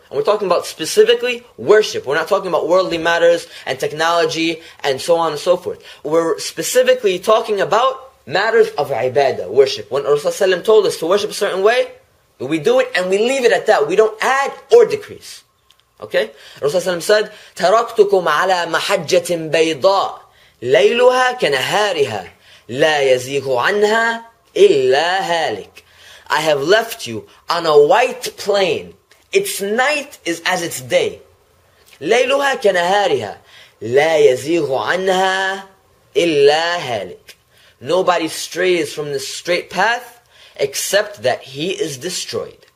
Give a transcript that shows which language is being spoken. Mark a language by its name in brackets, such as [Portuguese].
[English] And we're talking about specifically worship. We're not talking about worldly matters and technology and so on and so forth. We're specifically talking about matters of ibadah, worship. When Rasulullah ﷺ told us to worship a certain way, we do it and we leave it at that. We don't add or decrease. Okay? Rasulullah ﷺ said, [Arabic] تَرَكْتُكُمْ عَلَى مَحَجَّةٍ بَيْضَاءٍ لَيْلُهَا كَنَهَارِهَا لَا يَزِيغُ عَنْهَا إِلَّا هَالِكَ. [English] I have left you on a white plain. Its night is as its day. [Arabic] لَيْلُهَا كَنَهَارِهَا لَا يَزِيغُ عَنْهَا إِلَّا هَالِكَ. [English] Nobody strays from this straight path except that he is destroyed.